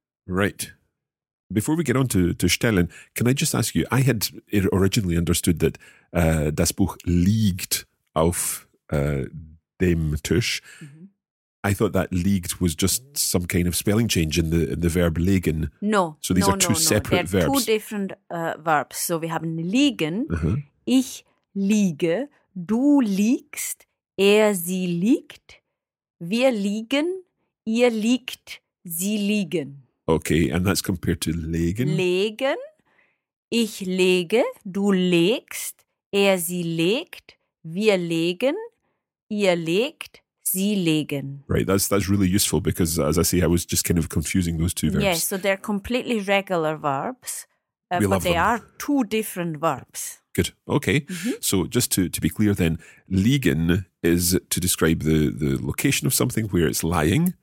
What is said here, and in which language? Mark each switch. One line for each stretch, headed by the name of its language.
English: Right. Before we get on to stellen, can I just ask you, I had originally understood that
German: das Buch liegt auf dem Tisch.
English: Mm-hmm. I thought that liegt was just some kind of spelling change in the verb liegen. No. So these no, are two no, separate no. verbs. Two different verbs. So we have liegen, uh-huh.
German: ich liege, du liegst, sie liegt, wir liegen, ihr liegt, sie liegen.
English: Okay, and that's compared to legen.
German: Legen, ich lege, du legst, sie legt, wir legen, ihr legt, sie legen.
English: Right, that's really useful because, as I say, I was just kind of confusing those two verbs. Yes, so they're completely regular verbs, but they are two different verbs. Good. Okay. Mm-hmm. So just to be clear then, liegen is to describe the location of something where it's lying.